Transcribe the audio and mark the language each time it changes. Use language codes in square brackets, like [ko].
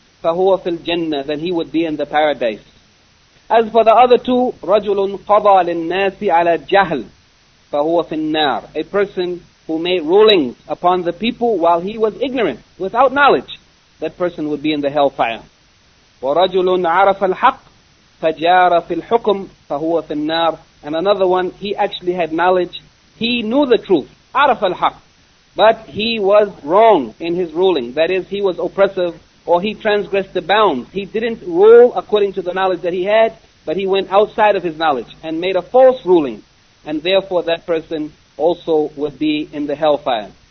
[ar] فَهُوَ فِي الْجَنَّةِ, [en] then he would be in the paradise. As for the other two, [ar] رَجُلٌ قَضَى لِلنَّاسِ عَلَى جَهْلٍ, فهو في النار. [en] A person who made rulings upon the people while he was ignorant, without knowledge, that person would be in the hellfire. [ar] ورجل عرف الحق فجار في الحكم فهو في النار. [en] And another one, he actually had knowledge, he knew the truth, [ar] عرف الحق, [en] but he was wrong in his ruling, that is, he was oppressive, or he transgressed the bounds. He didn't rule according to the knowledge that he had, but he went outside of his knowledge and made a false ruling, and therefore that person also would be in the hellfire.